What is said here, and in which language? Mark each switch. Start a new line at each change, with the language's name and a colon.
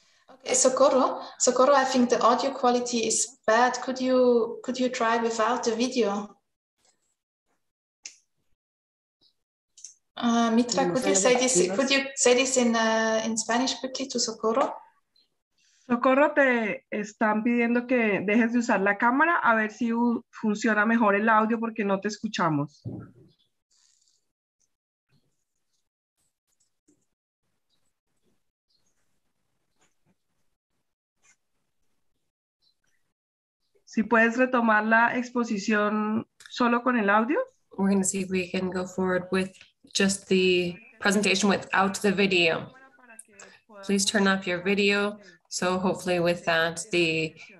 English: Okay, Socorro, I think the audio quality is bad. Could you try without the video? Mitra, could you say this in Spanish quickly to Socorro?
Spanish: Socorro, te están pidiendo que dejes de usar la cámara a ver si funciona mejor el audio porque no te escuchamos. Si puedes retomar la exposición solo con el audio.
English: We're going to see if we can go forward with just the presentation without the video. Please turn off your video. So hopefully with that, the